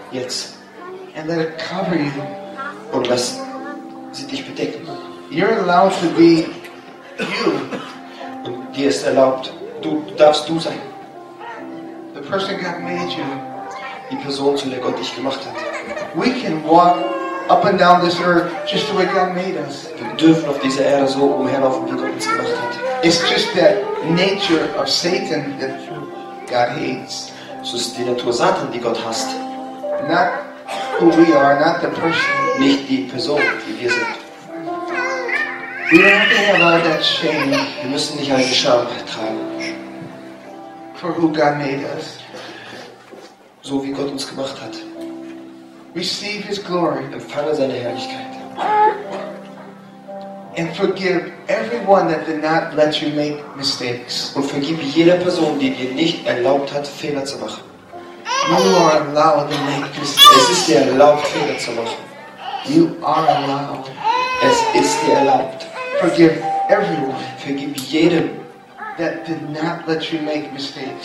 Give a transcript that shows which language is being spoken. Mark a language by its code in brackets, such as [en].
[de] Jetzt. [en] And let it cover you. [de] Und lass sie dich bedecken. [en] You're allowed to be you. [de] Und dir ist erlaubt, du darfst du sein. [en] The person God made you. [de] Die Person, zu der Gott dich gemacht hat. [en] We can walk up and down this earth just the way God made us. [de] Wir dürfen auf dieser Erde so umherlaufen, wie Gott uns gemacht hat. [en] It's just that nature of Satan that God hates. [de] So ist die Natur Satan, die Gott hasst. [en] Not who we are, not the person. [de] Nicht die Person, die wir sind. [en] We don't have all that shame. [de] Wir müssen nicht all die Scham tragen. [en] For who God made us. [de] So wie Gott uns gemacht hat. [en] Receive His glory. [de] Empfange seine Herrlichkeit. [en] And forgive everyone that did not let you make mistakes. [de] Und vergib jeder Person, die dir nicht erlaubt hat, Fehler zu machen. [en] You are allowed to make mistakes. [de] Es ist dir erlaubt, Fehler zu machen. [en] You are allowed. [de] Es ist dir erlaubt. [en] Forgive everyone. [de] Vergib jedem, [en] that did not let you make mistakes.